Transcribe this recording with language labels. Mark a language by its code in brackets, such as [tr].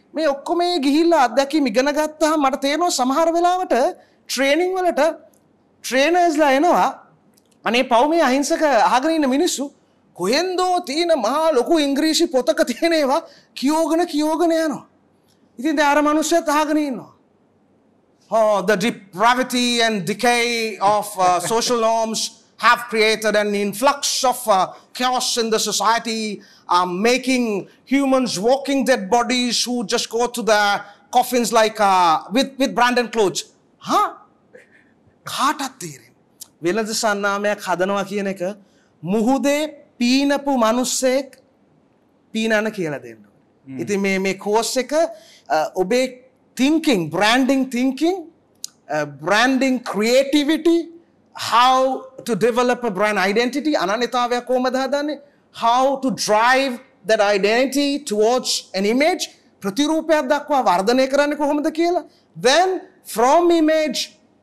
[si] මේ ඔක්කොම ගිහිල්ලා අත්දැකීම් ඉගෙන ගත්තාම මට තේරෙනවා සමහර වෙලාවට ට්‍රේනින් වලට ට්‍රේනර්ස්ලා එනවා, අනේ පව් මේ අහිංසක අහගෙන ඉන්න මිනිස්සු කොහෙන්දෝ තියෙන මහා ලොකු ඉංග්‍රීසි පොතක තියෙන ඒවා කියෝගෙන කියෝගෙන යනවා. ඉතින් දැන් අර මිනිස්සුත් අහගෙන ඉන්නවා. [en] Oh, the depravity and decay of social norms have created an influx of chaos in the society, making humans walking dead bodies who just go to the coffins like with brand and clothes. Huh? [si] කාටත් තේරෙන්නේ වෙනද සන්නාමයක් හදනවා කියන එක මුහුදේ පීනපු මිනිස්සෙක් පීනන කියලා දෙන්නවා. [en] ඉතින් [si] මේ මේ කෝස් එක ඔබේ [en] thinking, branding thinking, branding creativity, how to develop a brand identity, [si] ananithavaya kohomada hadanne, [en] how to drive that identity towards an image, [si] pratirupaya dakwa vardhane karanne kohomada kiyala, [en] then from image